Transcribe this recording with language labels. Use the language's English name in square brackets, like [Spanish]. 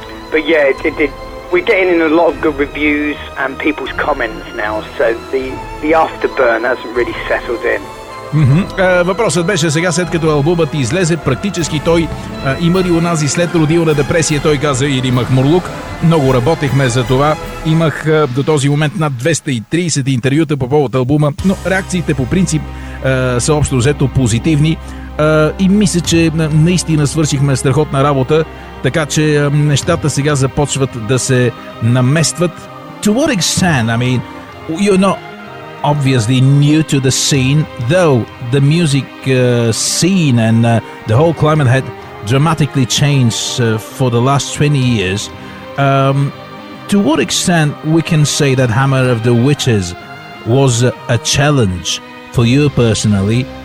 [English] But we're getting in a lot of good reviews and people's comments now, so the afterburn hasn't really settled in. Mm-hmm. [Bulgarian] Въпросът беше сега, след като албумът излезе, практически той има ли унази следродилна депресия, той каза, или махмурлук. Много работихме за това. Имах до този момент над 230 интервюта по повод албума, но реакциите по принцип са общо взето позитивни. И мисля, че наистина свършихме страхотна работа, така че нещата сега започват да се наместват. [English] To what extent, I mean, you're not obviously new to the scene, though the music scene and the whole climate had dramatically changed for the last 20 years. To what extent we can say that Hammer of the Witches was a challenge for you personally?